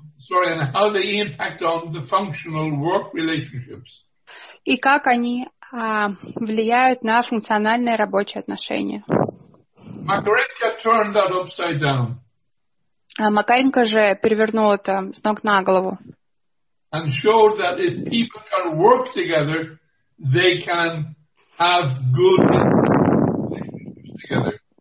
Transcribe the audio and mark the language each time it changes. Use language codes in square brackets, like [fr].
[en] Sorry, and how they impact on the functional work relationships. [ru] И как они влияют на функциональные рабочие отношения. [en] Макаренко turned that upside down. [ru] А Макаренко же перевернул это с ног на голову. [en] And showed that if people can work together, they can have good relationships together.